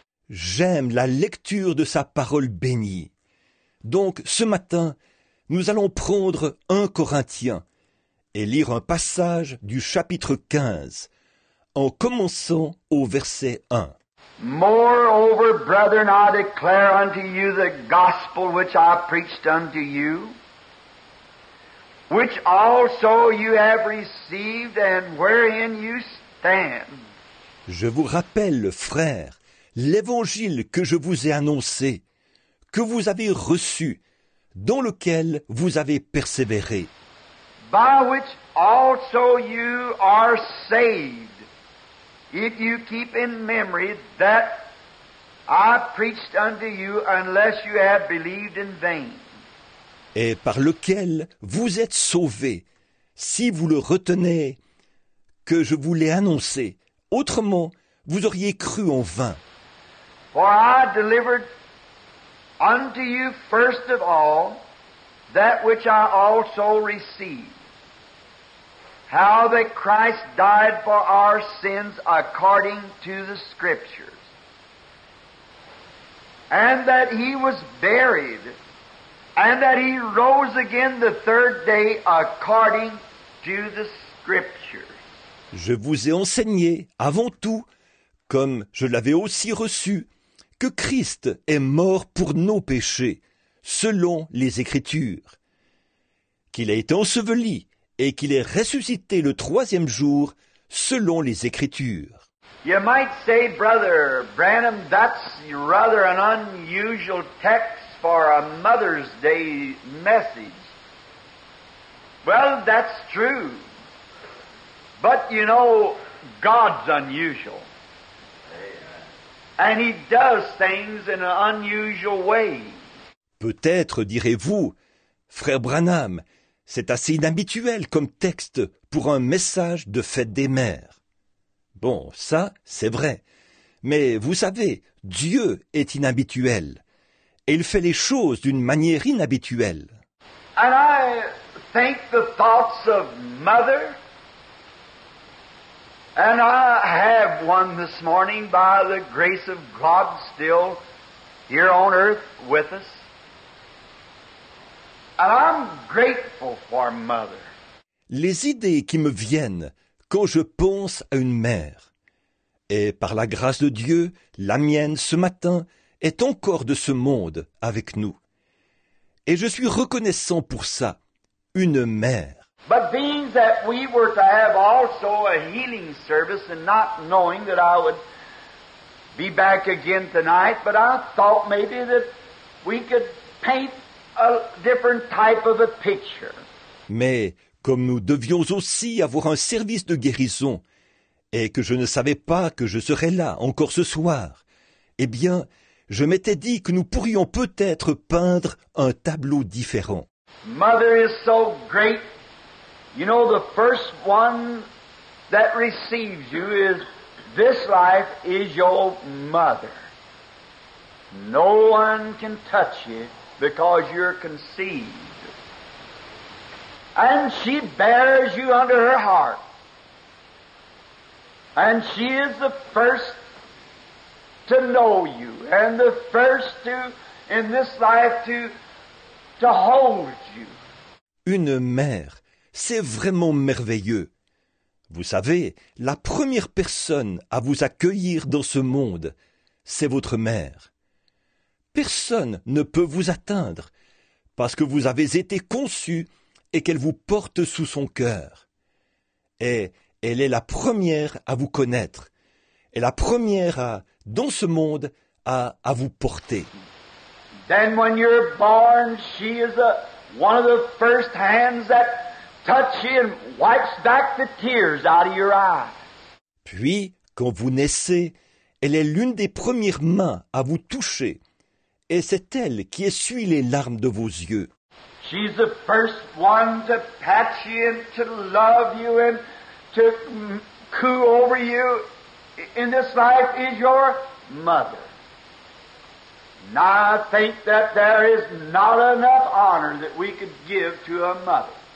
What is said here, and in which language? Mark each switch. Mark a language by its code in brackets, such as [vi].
[fr] J'aime la lecture de sa parole bénie. Donc, ce matin, nous allons prendre 1 Corinthiens et lire un passage du chapitre 15, en commençant au verset 1. [en] Moreover, brethren, I declare unto you the gospel which I preached unto you, which also you have received and wherein you stand. [fr] Je vous rappelle, frères, l'évangile que je vous ai annoncé, que vous avez reçu, dans lequel vous avez persévéré. [en] By which also you are saved, if you keep in memory that I preached unto you, unless you have believed in vain. [fr] Et par lequel vous êtes sauvés, si vous le retenez, que je vous l'ai annoncé. Autrement, vous auriez cru en vain. [en] For I delivered unto you first of all that which I also received, how that Christ died for our sins according to the Scriptures, and that He was buried, and that He rose again the third day according to the Scriptures. [fr] Je vous ai enseigné avant tout, comme je l'avais aussi reçu, que Christ est mort pour nos péchés, selon les Écritures, qu'il a été enseveli et qu'il est ressuscité le troisième jour, selon les Écritures. [en] You might say, Brother Branham, that's rather an unusual text for a Mother's Day message. Well, that's true. But you know, God's unusual. And He does things in an unusual way. [fr] Peut-être direz-vous, frère Branham, c'est assez inhabituel comme texte pour un message de fête des mères. Bon, ça, c'est vrai. Mais vous savez, Dieu est inhabituel. Et il fait les choses d'une manière inhabituelle. [en] And I think the thoughts of mother, and I have one this morning by the grace of God still here on earth with us. And I'm grateful for mother. [fr] Les idées qui me viennent quand je pense à une mère, et par la grâce de Dieu, la mienne ce matin est encore de ce monde avec nous. Et je suis reconnaissant pour ça, une mère. [en] But being that we were to have also a healing service and not knowing that I would be back again tonight, but I thought maybe that we could paint a different type of a picture. [fr] Mais comme nous devions aussi avoir un service de guérison et que je ne savais pas que je serais là encore ce soir, eh bien, je m'étais dit que nous pourrions peut-être peindre un tableau différent. [en] Mother is so great. You know, the first one that receives you is this life is your mother. No one can touch you because you're conceived. And she bears you under her heart. And she is the first to know you, and the first to, in this life, to hold you. [fr] Une mère, c'est vraiment merveilleux. Vous savez, la première personne à vous accueillir dans ce monde, c'est votre mère. Personne ne peut vous atteindre, parce que vous avez été conçue et qu'elle vous porte sous son cœur. Et elle est la première à vous connaître, et la première à dans ce monde, à vous porter. [en] Then when you're born, she is one of the first hands that touch you and wipes back the tears out of your eyes. [fr] Puis, quand vous naissez, elle est l'une des premières mains à vous toucher, et c'est elle qui essuie les larmes de vos yeux. [en] She's the first one to pat you and to love you and to coo over you. In this life is your mother. Now I think that there is not enough honor that we could give to a mother.